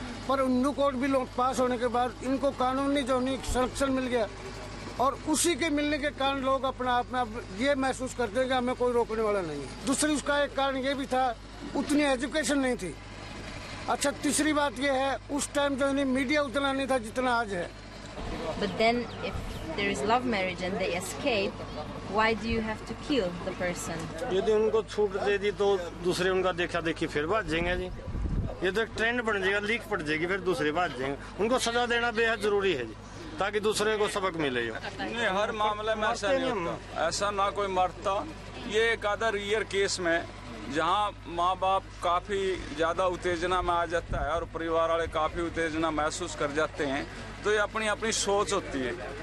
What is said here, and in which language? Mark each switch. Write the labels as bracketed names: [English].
[Hindi] पर Hindu code bill pass होने के बाद इनको कानूनी जो नहीं संरक्षण मिल गया, और उसी के मिलने के कारण लोग अपने आप में अब ये महसूस करते हैं कि हमें कोई रोकने वाला नहीं है। दूसरी उसका एक कारण ये भी था, उतनी एजुकेशन नहीं थी। अच्छा, तीसरी बात ये है, उस टाइम जो है मीडिया उतना नहीं था जितना आज है। [English] But then if there is love marriage and they escape, why do you have to kill the person? [Hindi] यदि उनको छूट दे दी तो दूसरे उनका देखा देखी फिर भाग जाएंगे जी, ये तो एक ट्रेंड बन जाएगा, लीक पड़ जाएगी, फिर दूसरे भाग जाएंगे। उनको सजा देना बेहद जरूरी है जी, ताकि दूसरे को सबक मिले। नहीं, हर मामले में ऐसा नहीं होता, ऐसा ना कोई मरता। ये एक आधा रियर केस में जहाँ माँ बाप काफी ज्यादा उत्तेजना में आ जाता है और परिवार वाले काफी उत्तेजना महसूस कर जाते हैं, तो ये अपनी अपनी सोच होती है।